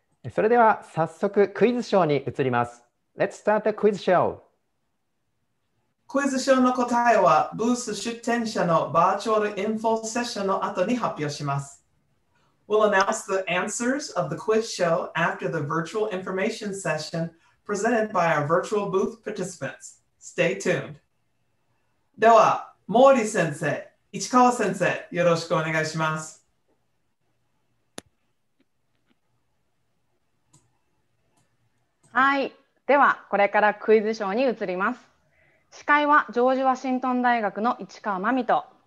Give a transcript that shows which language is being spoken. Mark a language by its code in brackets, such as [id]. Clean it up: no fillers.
[ja] それでは早速クイズショーに移ります。 [en] Let's start the quiz show. [ja] クイズショーの答えはブース出展者のバーチャルインフォセッションの後に発表します。 [en] We'll announce the answers of the quiz show after the virtual information session presented by our virtual booth participants. Stay tuned. [ja] では、毛利先生、市川先生、よろしくお願いします。はい、ではこれからクイズショーに移ります。司会はジョージ・ワシントン大学の市川真美と、